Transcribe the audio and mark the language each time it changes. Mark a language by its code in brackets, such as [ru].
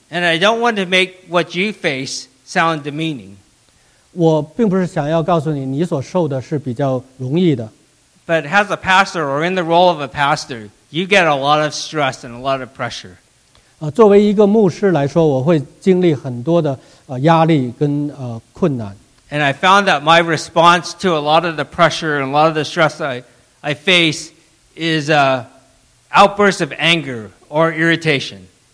[en] And I don't want to make what you face sound demeaning. [zh] 我并不是想要告诉你，你所受的是比较容易的。 [en] But as a pastor or in the role of a pastor, you get a lot of stress and a lot of pressure. [zh] 作为一个牧师来说，我会经历很多的压力跟困难。 [en] And I found that my response to a lot of the pressure and a lot of the stress I face is an outburst of anger or irritation.